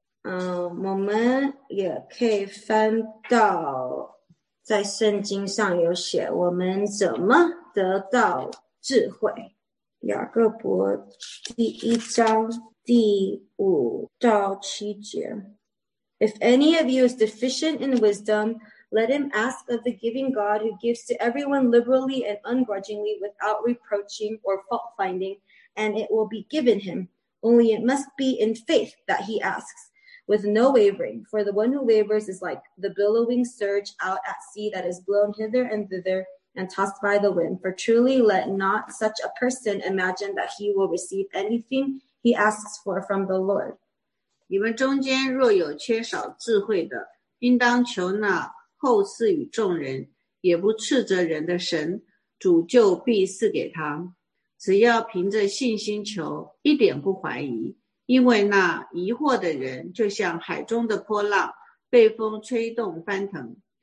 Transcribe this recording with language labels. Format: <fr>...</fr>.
<zh>我们也可以翻到在圣经上有写我们怎么得到智慧。雅各伯第一章第五到七节。</zh> <en>If any of you is deficient in wisdom, let him ask of the giving God who gives to everyone liberally and ungrudgingly without reproaching or fault finding, and it will be given him. Only it must be in faith that he asks, with no wavering. For the one who wavers is like the billowing surge out at sea that is blown hither and thither,and tossed by the wind. For truly let not such a person imagine that he will receive anything he asks for from the Lord.</en> <zh>你们中间若有缺少智慧的，应当求那后赐与众人，也不斥责人的神，主就必赐给他。只要凭着信心求，一点不怀疑，因为那疑惑的人就像海中的波浪，被风吹动翻腾。</zh>